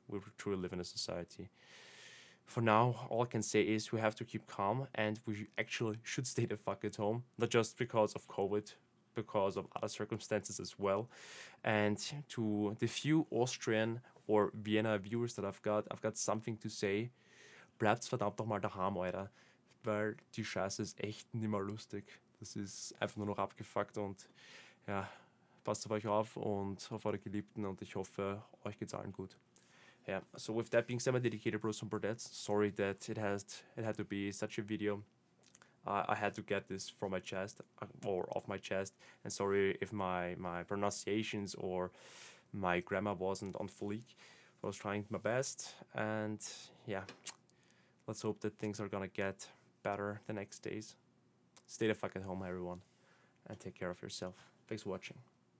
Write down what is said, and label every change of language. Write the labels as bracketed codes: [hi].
[en] We truly live in a society. For now, all I can say is we have to keep calm, and we actually should stay the fuck at home, not just because of COVID, because of other circumstances as well. And to the few Austrian or Vienna viewers that I've got something to say. [de] Bleibt verdammt doch mal daheim, Alter, weil die Scheiße ist echt nicht mehr lustig. Das ist einfach nur noch abgefuckt, und ja, passt auf euch auf und auf eure Geliebten, und ich hoffe, euch geht's allen gut. [en] Yeah, so with that being said, my dedicated bros and brodettes, sorry that it had to be such a video. I had to get this from my chest, or off my chest, and sorry if my pronunciations or my grammar wasn't on fleek. I was trying my best, and yeah, let's hope that things are gonna get better the next days. Stay the fuck at home, everyone, and take care of yourself. Thanks for watching.